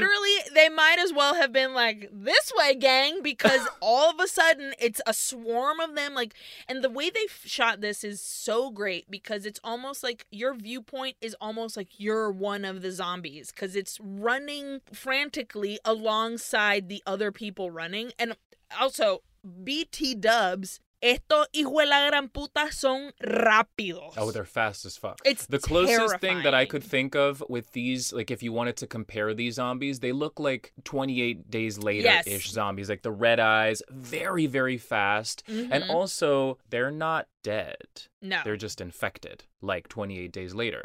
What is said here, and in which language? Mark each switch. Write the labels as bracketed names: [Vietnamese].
[English] Literally, they might as well have been like, this way, gang, because all of a sudden, it's a swarm of them. Like, and the way they shot this is so great because it's almost like your viewpoint is almost like you're one of the zombies because it's running frantically alongside the other people running. And also, BT Dubs, [Spanish] estos hijos de la gran puta son rápidos. [English] Oh, they're fast as fuck. It's the closest terrifying thing that I could think of with these, like if you wanted to compare these zombies, they look like 28 Days Later-ish yes zombies. Like the red eyes, very, very fast. Mm-hmm. And also, they're not dead. No. They're just infected, like 28 Days Later.